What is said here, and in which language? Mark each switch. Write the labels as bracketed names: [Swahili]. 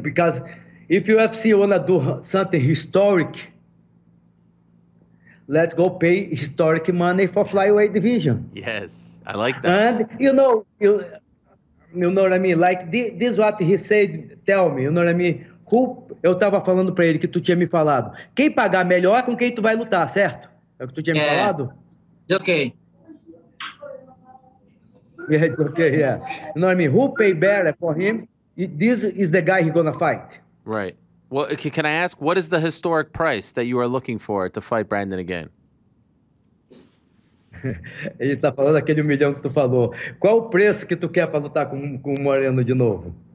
[English] Because if UFC wanna do something historic, let's go pay historic money for flyweight division. Yes, I like that. And you know what I mean? Like, this is what he said, tell me, you know what I mean? [Portuguese] Who, eu tava falando pra ele que tu tinha me falado. Quem pagar melhor com quem tu vai lutar, certo? É o que tu tinha me falado? [English] It's okay. Yeah, it's okay, yeah. You know what I mean? Who pay better for him? This is the guy he's gonna fight. Right. Well, can I ask, what is the historic price that you are looking for to fight Brandon again? [Portuguese] Ele está falando aquele milhão que tu falou. Qual o preço que tu quer para lutar com o Moreno de novo?